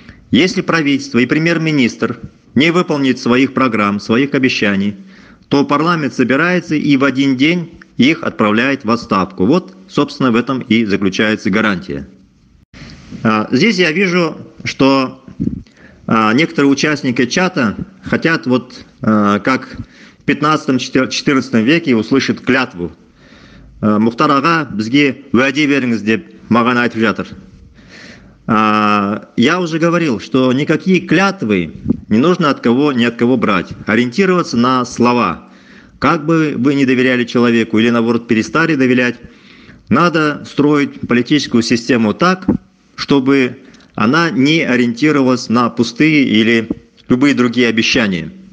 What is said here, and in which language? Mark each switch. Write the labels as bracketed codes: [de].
[ru] Если правительство и премьер-министр не выполнят своих программ, своих обещаний, то парламент собирается и в один день их отправляет в отставку. Вот, собственно, в этом и заключается гарантия. Здесь я вижу, что некоторые участники чата хотят, вот как в 15-14 веке, услышать клятву. [kk] Мухтар аға, бізге уәде беріңіз, деп маған айтып жатыр. [ru] Я уже говорил, что никакие клятвы не нужно ни от кого брать. Ориентироваться на слова. Как бы вы ни доверяли человеку или, наоборот, перестали доверять, надо строить политическую систему так, чтобы она не ориентировалась на пустые или любые другие обещания.